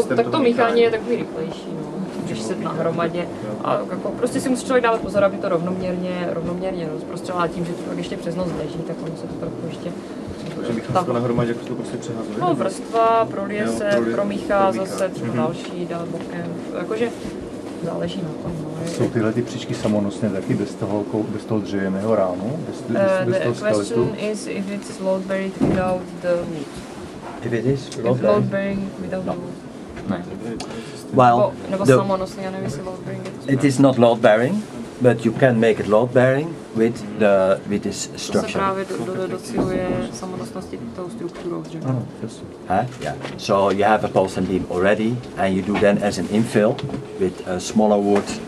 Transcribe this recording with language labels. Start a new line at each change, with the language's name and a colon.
Czech: To míchání je takový rychlejší, no, když se nahromadě. A jako, prostě si musí člověk dávat pozor, aby to rovnoměrně rozprostřelá tím, že to pak ještě přes noc leží, tak ono se to trochu ještě... Že mícháš to nahromadě, jak to prostě přehazuje? No, vrstva, prolije se, promíchá zase třeba další, dál bokem, jakože záleží na tom. Jsou tyhle ty příčky samonosně taky bez toho dřevěného rámu, bez toho skeletu?
English: The question is if it's load buried without the wood. If it is load bearing without the wood. Well,
Czech: nebo samonosně, já nevím, jestli
English: load bearing. It is not load bearing, but you can make it load bearing with the with this structure.
Czech: To se právě docíluje samonosnosti tou strukturou dřeva. Ano, jasně.
English: Yeah. So you have a pulse and beam already, and you do then as an infill with a smaller wood.